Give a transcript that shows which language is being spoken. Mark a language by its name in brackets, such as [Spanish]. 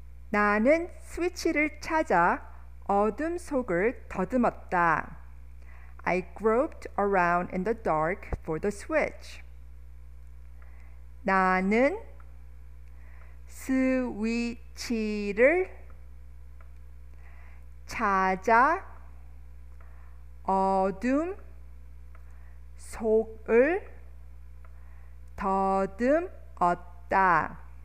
[Korean] "나는 스위치를 찾아 어둠 속을 더듬었다. [English] I groped around in the dark for the switch. [Korean] 나는 스위치를 찾아 어둠 속을 더듬었다.